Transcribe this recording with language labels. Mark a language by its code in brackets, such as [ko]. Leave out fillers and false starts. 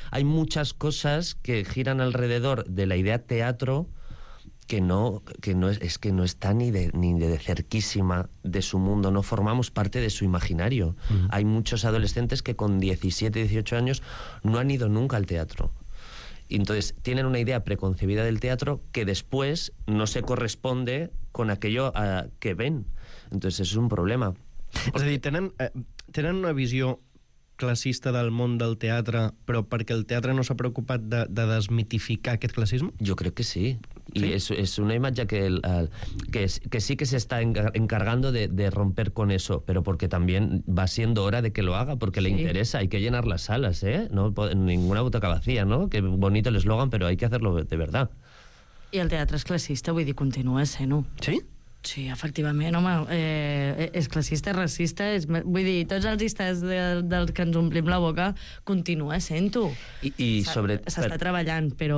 [es] Hay muchas cosas que giran alrededor de la idea teatro que no está ni de cerquísima de su mundo, no formamos parte de su imaginario. Uh-huh. Hay muchos adolescentes que con 17, 18 años no han ido nunca al teatro. Y entonces tienen una idea preconcebida del teatro que después no se corresponde con aquello que ven. Entonces eso es un problema. Porque... Es decir, [ca] tenen una visió classista del món del teatre, però perquè el teatre no s'ha preocupat de desmitificar aquest classisme? Jo crec que sí. [es] Sí. Y es una imagen que sí que se está encargando de romper con eso, pero porque también va siendo hora de que lo haga, porque sí. Le interesa, hay que llenar las salas, ¿eh? No, ninguna butaca vacía, ¿no? Qué bonito el eslogan, pero hay que hacerlo de verdad. Y el teatro es clasista, [ca] vull dir, [es] continúa ese, ¿no? ¿Sí? [ca] Sí, efectivament, home, és classista, racista, vull dir, tots els llistes dels que ens omplim la boca continua sent-ho. S'està treballant.